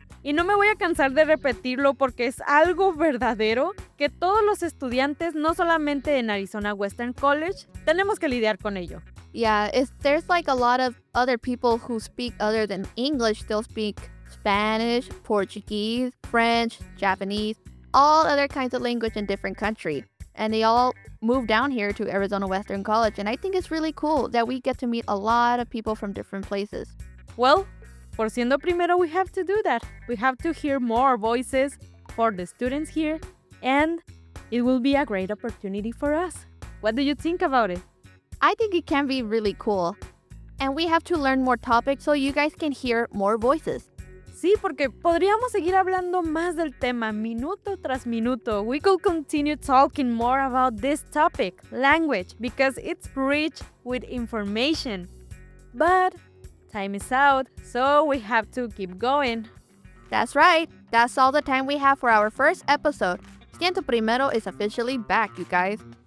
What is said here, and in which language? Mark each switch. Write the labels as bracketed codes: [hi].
[es] Y no me voy a cansar de repetirlo porque es algo verdadero que todos los estudiantes, no solamente en Arizona Western College, tenemos que lidiar con ello. [en] Yeah, there's like a lot of other people who speak other than English still speak Spanish, Portuguese, French, Japanese, all other kinds of language in different countries. And they all moved down here to Arizona Western College. And I think it's really cool that we get to meet a lot of people from different places. Well, por siendo primero, we have to do that. We have to hear more voices for the students here. And it will be a great opportunity for us. What do you think about it? I think it can be really cool. And we have to learn more topics so you guys can hear more voices. [es] Sí, porque podríamos seguir hablando más del tema, minuto tras minuto. [en] We could continue talking more about this topic, language, because it's rich with information. But time is out, so we have to keep going. That's right. That's all the time we have for our first episode. Siento Primero is officially back, you guys.